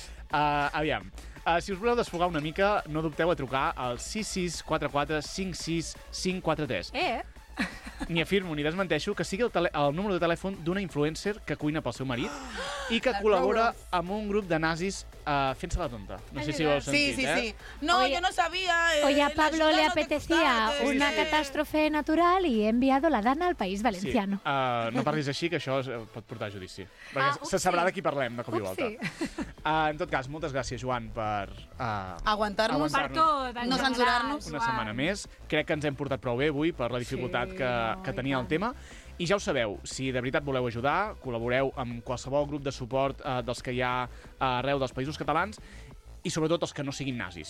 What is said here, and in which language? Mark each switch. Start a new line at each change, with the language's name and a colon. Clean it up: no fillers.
Catalan: Aviam, si us voleu desfogar una mica, no dubteu a trucar al 6644-56543. Ni afirmo ni desmenteixo que sigui el número de telèfon d'una influencer que cuina pel seu marit i que col·labora amb un grup de nazis fent-se la tonta. No sé si ho heu sentit, eh? Sí. No, jo no sabia.
Spanish: Oye, a Pablo le apetecía una catástrofe natural y he enviado la Dana al País Valenciano.
Catalan: Sí, no parlis així, que això pot portar a judici. Perquè se sabrà de qui parlem, de cop i volta. En tot cas, moltes gràcies, Joan, per... aguantar-nos. Per tot. No censurar-nos. Una setmana més. Crec que ens hem portat prou bé avui per la dificultat que tenia el tema. I ja ho sabeu, si de veritat voleu ajudar, col·laboreu amb qualsevol grup de suport dels que hi ha arreu dels Països Catalans, i sobretot els que no siguin nazis.